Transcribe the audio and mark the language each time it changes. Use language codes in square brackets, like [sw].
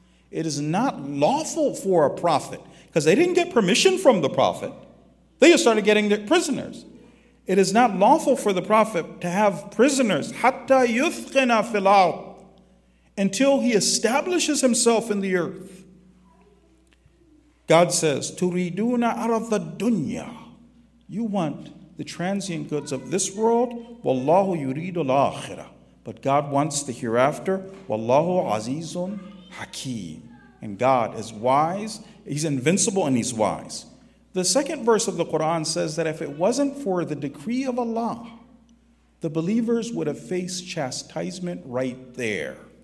[en] It is not lawful for a prophet. Because they didn't get permission from the prophet. They just started getting their prisoners. It is not lawful for the prophet to have prisoners. [ar] حَتَّى يُثْقِنَ فِي الْأَرْضِ. [en] Until he establishes himself in the earth. God says, [ar] تُرِيدُونَ عَرَضَ الدُّنْيَا. [en] You want the transient goods of this world, [ar] وَاللَّهُ يُرِيدُ الْآخِرَةَ. [en] But God wants the hereafter, [ar] وَاللَّهُ عَزِيزٌ حَكِيمٌ. [en] And God is wise, he's invincible and he's wise. The second verse of the Quran says that if it wasn't for the decree of Allah, the believers would have faced chastisement right there.